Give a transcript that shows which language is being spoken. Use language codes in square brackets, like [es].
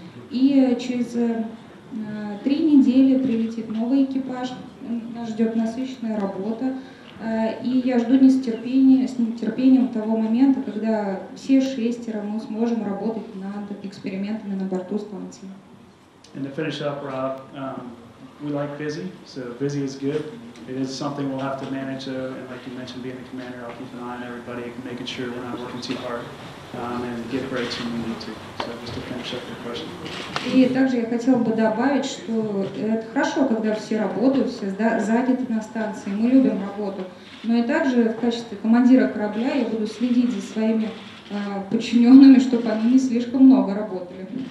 [ru] И через 3 недели прилетит новый экипаж. Нас ждет насыщенная работа, и я жду с нетерпением того момента, когда все 6 мы сможем работать над экспериментами на борту станции. [en] And to finish up, Rob, we like busy, so busy is good. It is something we'll have to manage, though, and like you mentioned, being the commander, I'll keep an eye on everybody, making sure we're not working too hard, and get breaks when we need to. So just to finish up your question. [ru] И также я хотел бы добавить, что это хорошо, когда все работают, все заняты на станции. Мы любим работу. Но и также в качестве командира корабля я буду следить за своими подчиненными, чтобы они не слишком много работали.